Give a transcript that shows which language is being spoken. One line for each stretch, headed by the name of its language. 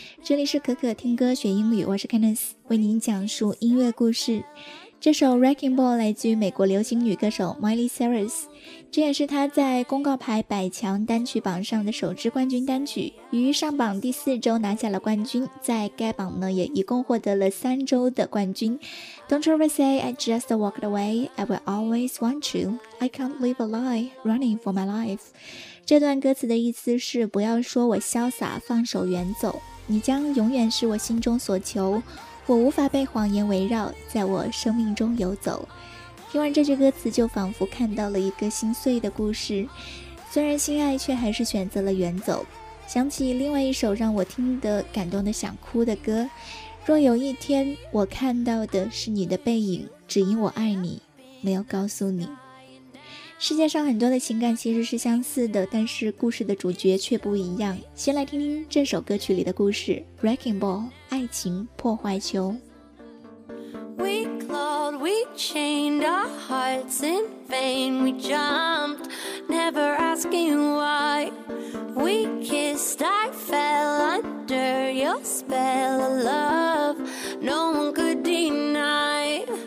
Chinese: 这里是可可听歌学英语，我是 Candice， 为您讲述音乐故事。这首 Wrecking Ball 来自于美国流行女歌手 Miley Cyrus， 这也是她在公告牌百强单曲榜上的首支冠军单曲，于上榜第四周拿下了冠军，在该榜呢也一共获得了三周的冠军。
English: Don't you ever say I just walked away, I will always want you, I can't live a lie running for my life。
Chinese: 这段歌词的意思是，不要说我潇洒放手远走，你将永远是我心中所求，我无法被谎言围绕，在我生命中游走。听完这句歌词，就仿佛看到了一个心碎的故事，虽然心爱，却还是选择了远走。想起另外一首让我听得感动的想哭的歌，若有一天我看到的是你的背影，只因我爱你没有告诉你。世界上很多的情感其实是相似的，但是故事的主角却不一样。先来听听这首歌曲里的故事， Wrecking Ball 爱情破坏球。
English: We clawed, we chained our hearts in vain, we jumped, never asking why. We kissed, I fell under your spell of love, no one could deny.